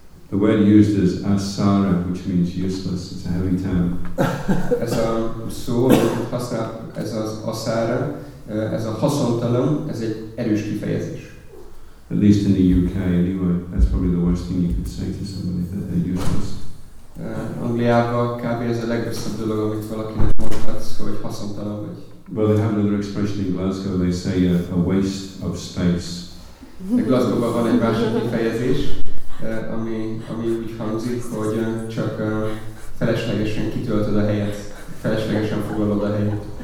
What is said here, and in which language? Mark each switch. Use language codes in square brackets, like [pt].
[en] The word used is asara, which means useless. It's a heavy term. [hu] Ez a szó, ez az asara, ez a haszontalan, ez egy erős kifejezés. [en] At least in the UK, anyway, that's probably the worst thing you could say to somebody, that they're useless. [hu] Angliában kb. Ez a legrosszabb dolog, amit valakinek mondhatsz, hogy haszontalan vagy. [en] Well, they have another expression in Glasgow, they say a waste of space. [hu] De Glasgow-ban van egy másik kifejezés, ami úgy hangzik, hogy csak feleslegesen kitöltöd a helyet. Feleslegesen foglalod a helyet.